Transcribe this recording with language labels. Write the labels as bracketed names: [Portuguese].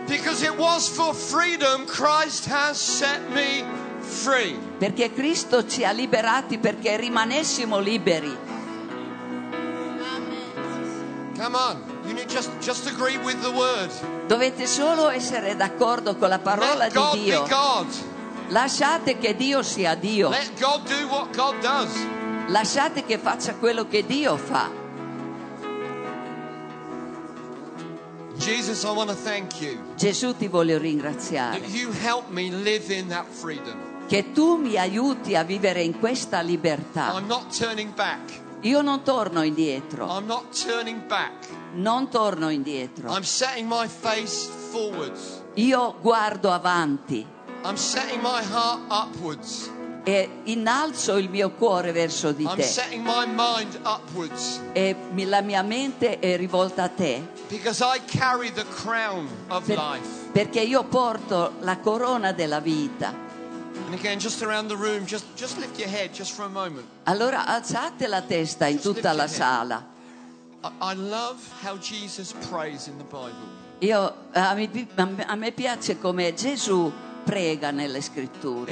[English] Because it was for freedom Christ has set me free. [Italian] Perché Cristo ci ha liberati perché rimanessimo liberi. [English] Come on, you need just agree with the word. [Italian] Dovete solo essere d'accordo con la parola di Dio. [English] Let God be God. [Italian] Lasciate che Dio sia Dio. [English] Let God do what God does. [Italian] Lasciate che faccia quello che Dio fa. [English] Jesus, I want to thank you. [Italian] Gesù, ti voglio ringraziare. [English] That you help me live in that freedom. [Italian] Che tu mi aiuti a vivere in questa libertà. [English] I'm not turning back. [Italian] Io non torno indietro. [English] I'm not turning back. [Italian] Non torno indietro. [English] I'm setting my face forwards. [Italian] Io guardo avanti. [English] I'm setting my heart upwards. [Italian] e innalzo il mio cuore verso di te. [English] I'm setting my mind upwards. [Italian] E la mia mente è rivolta a te. [English] Because I carry the crown of life. [Italian] Perché io porto la corona della vita. [English] And again, just around the room, just lift your head just for a moment. [Italian] Allora alzate la testa in tutta la sala. [English] I love how Jesus prays in the Bible. [Italian] Io a me piace come Gesù prega nelle scritture.